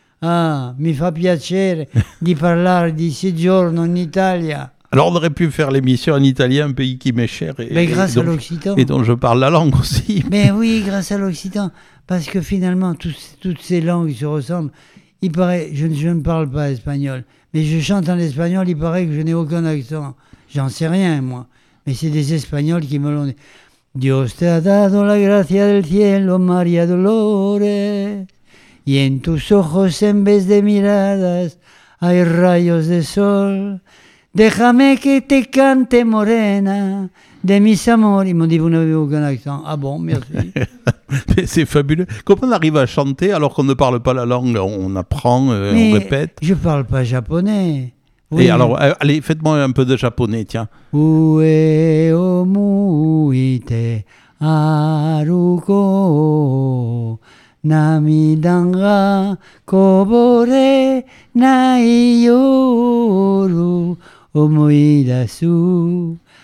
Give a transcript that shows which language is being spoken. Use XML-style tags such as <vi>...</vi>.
<it>Ah, mi fa piacere di parlare di soggiorno in Italia.</it> <fr>Alors on aurait pu faire l'émission en italien, un pays qui m'est cher. Mais grâce à l'Occitan. Et dont je parle la langue aussi. Mais oui, grâce à l'Occitan. Parce que finalement, toutes ces langues se ressemblent. Il paraît, je ne parle pas espagnol, mais je chante en espagnol, il paraît que je n'ai aucun accent. J'en sais rien, moi. Mais c'est des Espagnols qui me l'ont dit.</fr> <es>Dios te ha dado la gracia del cielo, María Dolores. Y en tus ojos, en vez de miradas, hay rayos de sol. Déjame que te cante, morena, de mis amores.</es> <fr>Ils m'ont dit, vous n'avez aucun accent. Ah bon, merci. C'est fabuleux. Comment on arrive à chanter alors qu'on ne parle pas la langue? On apprend, mais on répète. Je ne parle pas japonais. Oui. Et alors, allez, faites-moi un peu de japonais, tiens.</fr> <ja>Ue omuite aruko namidanga kobore nai yoru omuidasu.</ja>